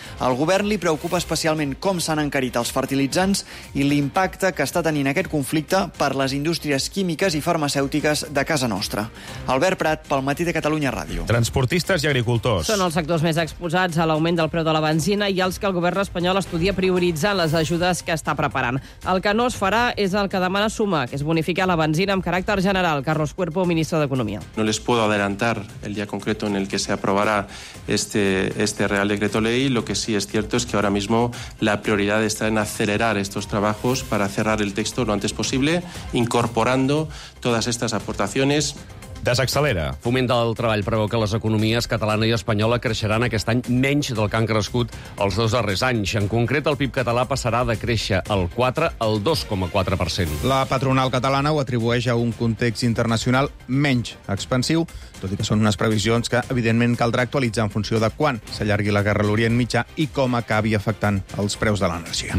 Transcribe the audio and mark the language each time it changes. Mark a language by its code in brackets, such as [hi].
[ca] Al govern li preocupa especialment com s'han encarit els fertilitzants i l'impacte que està tenint aquest conflicte per les indústries químiques i farmacèutiques de casa nostra. Albert Prat, pel Matí de Catalunya Ràdio. Transportistes i agricultors. Són els sectors més exposats a l'augment del preu de la benzina i els que el govern espanyol estudia prioritzar les ajudes que està preparant. El que no es farà és el que demana Suma, que és bonificar la benzina amb caràcter general. Carlos Cuerpo, ministre d'Economia. [es] No les puedo adelantar el día concreto en el que se aprobará este Real Decreto Ley. Lo que sí es cierto es que ahora mismo la prioridad está en acelerar estos trabajos para cerrar el texto lo antes posible, incorporando todas estas aportaciones. [ca] Desaccelera. Foment del treball preveu que les economies catalana i espanyola creixeran aquest any menys del que han crescut els dos darrers anys. En concret, el PIB català passarà de créixer el 4 al 2,4%. La patronal catalana ho atribueix a un context internacional menys expansiu, tot i que són unes previsions que, evidentment, caldrà actualitzar en funció de quan s'allargui la guerra a l'Orient Mitjà i com acabi afectant els preus de l'energia.